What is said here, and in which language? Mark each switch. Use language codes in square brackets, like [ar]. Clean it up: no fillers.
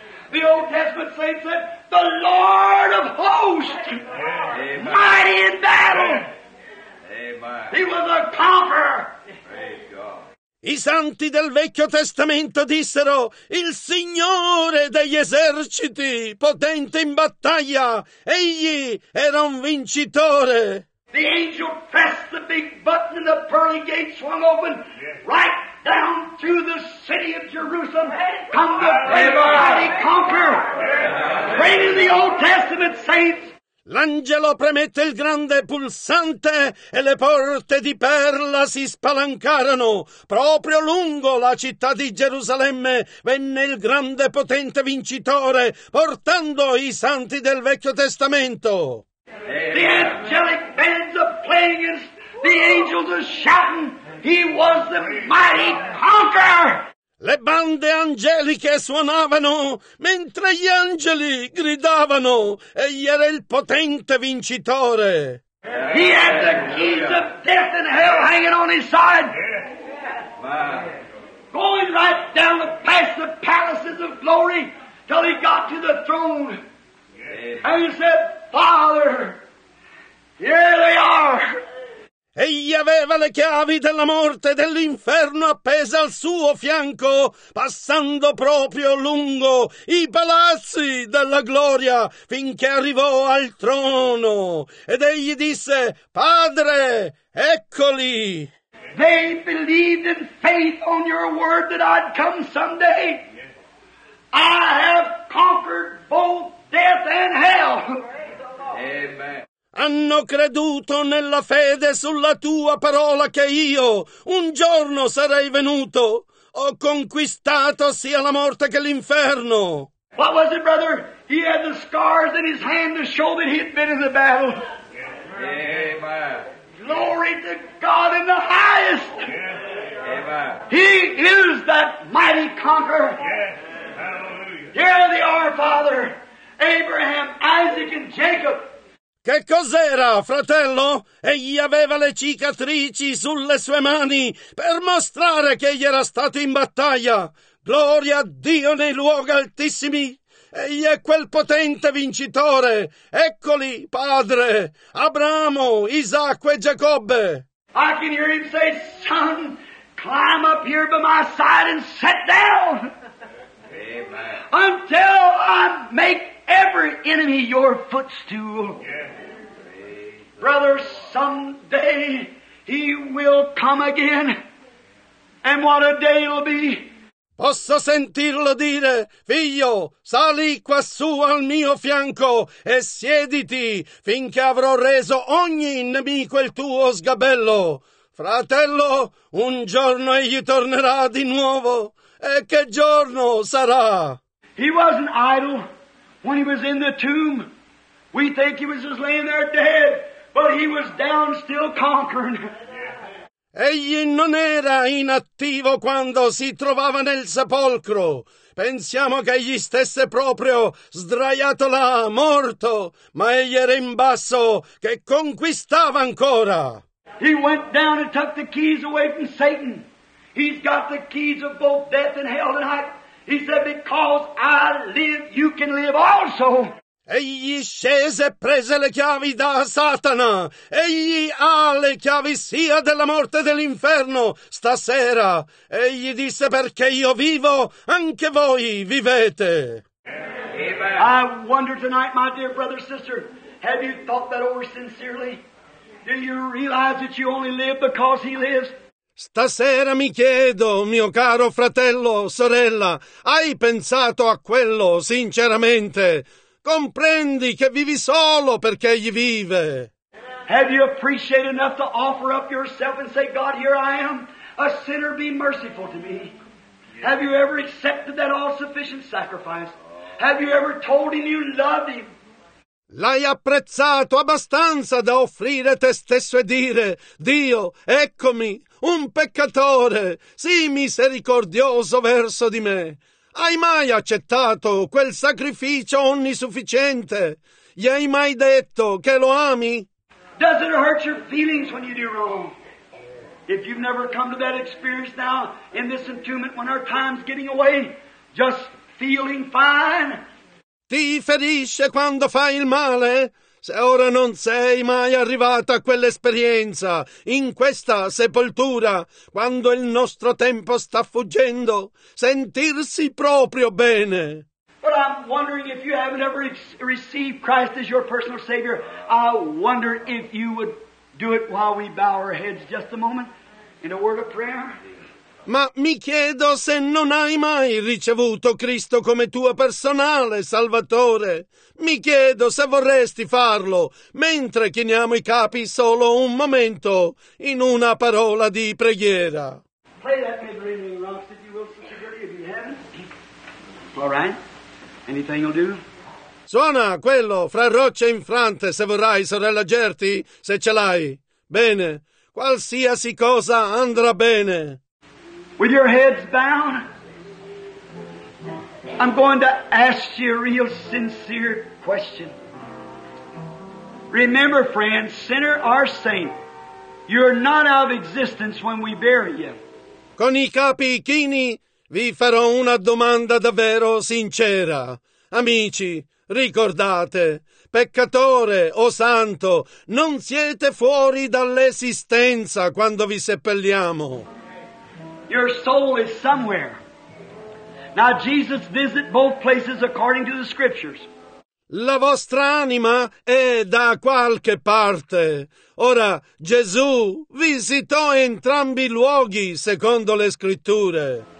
[en] The Old Testament saints said, the Lord of Hosts, mighty in battle. Amen. He was a conqueror. [it] I santi del Vecchio Testamento dissero, il Signore degli eserciti, potente in battaglia, egli era un vincitore. [en] The angel pressed the big button and the pearly gate swung open, right down to the city of Jerusalem, come the mighty conqueror, bringing the Old Testament saints. [it] L'angelo premette il grande pulsante e le porte di perla si spalancarono. Proprio lungo la città di Gerusalemme venne il grande potente vincitore, portando i santi del Vecchio Testamento. [en] The angelic bands are playing, the angels are shouting, he was the mighty conqueror! [it] Le bande angeliche suonavano mentre gli angeli gridavano, egli era il potente vincitore. [en] He had the keys of death and hell hanging on his side. Going right down past the palaces of glory till he got to the throne. And he said, Father, here they are. [it] Egli aveva le chiavi della morte e dell'inferno appese al suo fianco, passando proprio lungo i palazzi della gloria finché arrivò al trono. Ed egli disse, Padre, eccoli. [en] They believed in faith on your word that I'd come someday. I have conquered both death and hell. Amen. [it] Hanno creduto nella fede sulla tua parola che io un giorno sarei venuto. Ho conquistato sia la morte che l'inferno. [en] What was it, brother? He had the scars in his hand to show that he had been in the battle. Amen. Glory to God in the highest. Amen. He is that mighty conqueror. Yes. Hallelujah. Here they are, Father. Abraham, Isaac, and Jacob. [it] Che cos'era fratello, egli aveva le cicatrici sulle sue mani per mostrare che egli era stato in battaglia. Gloria a Dio nei luoghi altissimi! Egli è quel potente vincitore! Eccoli, padre, Abramo, Isacco e Giacobbe! [en] I can hear him say, son, climb up here by my side and sit down! Amen. Until I make every enemy your footstool. Yes. Brother, someday he will come again. And what a day it'll be. [it] Posso sentirlo dire, figlio, sali quassù al mio fianco e siediti finché avrò reso ogni nemico il tuo sgabello. Fratello, un giorno egli tornerà di nuovo. E che giorno sarà? [en] He wasn't idle when he was in the tomb. We think he was just laying there dead, but he was down still conquering. [it] Egli non era inattivo quando si trovava nel sepolcro. Pensiamo che egli stesse proprio sdraiato là, morto, ma egli era in basso che conquistava ancora. [en] He went down and took the keys away from Satan. He's got the keys of both death and hell tonight. He said, because I live, you can live also. [it] Egli scese e prese le chiavi da Satana. Egli ha le chiavi sia della morte dell'inferno stasera. Egli disse, perché io vivo, anche voi vivete. [en] Amen. I wonder tonight, my dear brother, sister, have you thought that over sincerely? Do you realize that you only live because he lives? [it] Stasera mi chiedo, mio caro fratello, sorella, hai pensato a quello sinceramente? Comprendi che vivi solo perché egli vive? [en] Have you appreciated enough to offer up yourself and say, God, here I am, a sinner, be merciful to me? Have you ever accepted that all-sufficient sacrifice? Have you ever told him you loved him? [it] L'hai apprezzato abbastanza da offrire te stesso e dire, Dio, eccomi, un peccatore, sii misericordioso verso di me. Hai mai accettato quel sacrificio onnisufficiente? Gli hai mai detto che lo ami? [en] Does it hurt your feelings when you do wrong? If you've never come to that experience now, in this entombment, when our time's getting away, just feeling fine. [it] Ti ferisce quando fai il male? Se ora non sei mai arrivata a quell'esperienza, in questa sepoltura, quando il nostro tempo sta fuggendo, sentirsi proprio bene. [en] But I'm wondering if you haven't ever received Christ as your personal Savior, I wonder if you would do it while we bow our heads just a moment in a word of prayer. [it] Ma mi chiedo se non hai mai ricevuto Cristo come tuo personale Salvatore. Mi chiedo se vorresti farlo, mentre chiniamo i capi solo un momento in una parola di preghiera. [en] Play that mid ring, Rocks, if you will, Sister Gertie, if you haven't. All right. Anything you'll do? [it] Suona quello fra rocce infrante, se vorrai, sorella Gertie, se ce l'hai. Bene. Qualsiasi cosa andrà bene. [en] With your heads bowed, I'm going to ask you a real sincere question. Remember, friend, sinner or saint, you're not out of existence when we bury you. [it] Con i capi chini, vi farò una domanda davvero sincera. Amici, ricordate, peccatore o santo, non siete fuori dall'esistenza quando vi seppelliamo. [en] Your soul is somewhere. Now Jesus visits both places according to the scriptures. [it] La vostra anima è da qualche parte. Ora Gesù visitò entrambi i luoghi secondo le scritture.